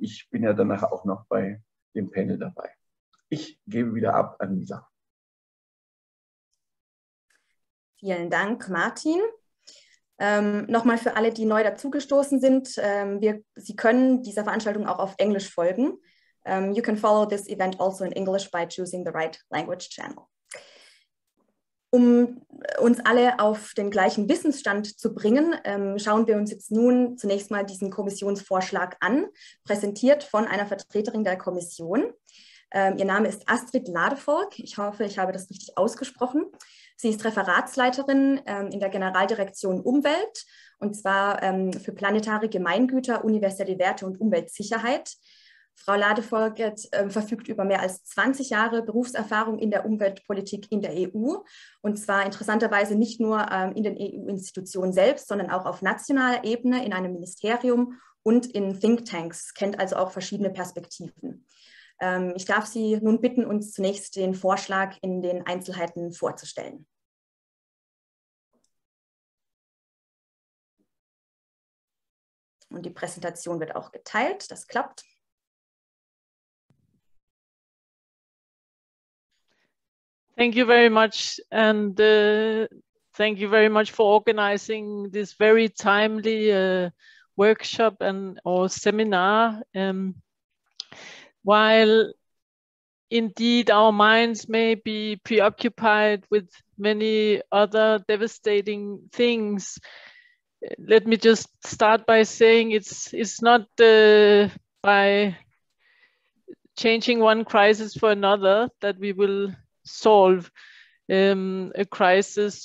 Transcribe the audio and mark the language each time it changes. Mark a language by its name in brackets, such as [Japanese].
[German] Ich bin ja danach auch noch bei dem Panel dabei. Ich gebe wieder ab an Lisa. Vielen Dank, Martin. Nochmal für alle, die neu dazugestoßen sind. Sie können dieser Veranstaltung auch auf Englisch folgen. [English] You can follow this event also in English by choosing the right language channel. [German] Um uns alle auf den gleichen Wissensstand zu bringen, schauen wir uns jetzt nun zunächst mal diesen Kommissionsvorschlag an, präsentiert von einer Vertreterin der Kommission. Ihr Name ist Astrid Ladefolk. Ich hoffe, ich habe das richtig ausgesprochen. Sie ist Referatsleiterin in der Generaldirektion Umwelt, und zwar für planetare Gemeingüter, universelle Werte und Umweltsicherheit. Frau Ladefolk verfügt über mehr als 20 Jahre Berufserfahrung in der Umweltpolitik in der EU, und zwar interessanterweise nicht nur in den EU-Institutionen selbst, sondern auch auf nationaler Ebene in einem Ministerium und in Thinktanks, kennt also auch verschiedene Perspektiven. Ich darf Sie nun bitten, uns zunächst den Vorschlag in den Einzelheiten vorzustellen. Und die Präsentation wird auch geteilt, das klappt. [English] Thank you very much, and thank you very much for organizing this very timely workshop and or seminar. While indeed our minds may be preoccupied with many other devastating things, let me just start by saying it's not by changing one crisis for another that we will solve a crisis.